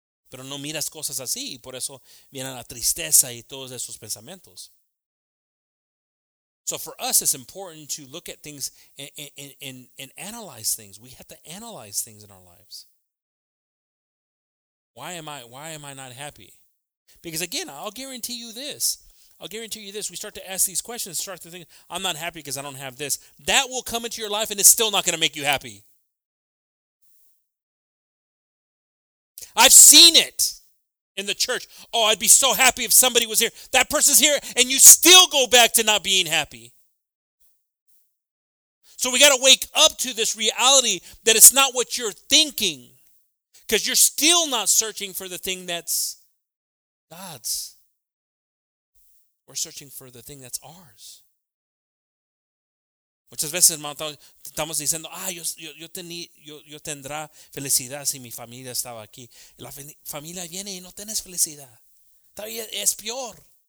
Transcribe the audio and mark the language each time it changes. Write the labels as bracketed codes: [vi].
[es] Pero no miras cosas así y por eso viene la tristeza y todos esos pensamientos. [en] So for us, it's important to look at things and analyze things. We have to analyze things in our lives. Why am I not happy? Because again, I'll guarantee you this. We start to ask these questions, start to think, I'm not happy because I don't have this. That will come into your life and it's still not going to make you happy. I've seen it in the church. Oh, I'd be so happy if somebody was here. That person's here and you still go back to not being happy. So we got to wake up to this reality that it's not what you're thinking, because you're still not searching for the thing that's God's. We're searching for the thing that's ours. [es] Muchas veces, hermano, estamos diciendo, ah, yo tendrá felicidad si mi familia estaba aquí. La familia viene y no tienes felicidad. Todavía es peor.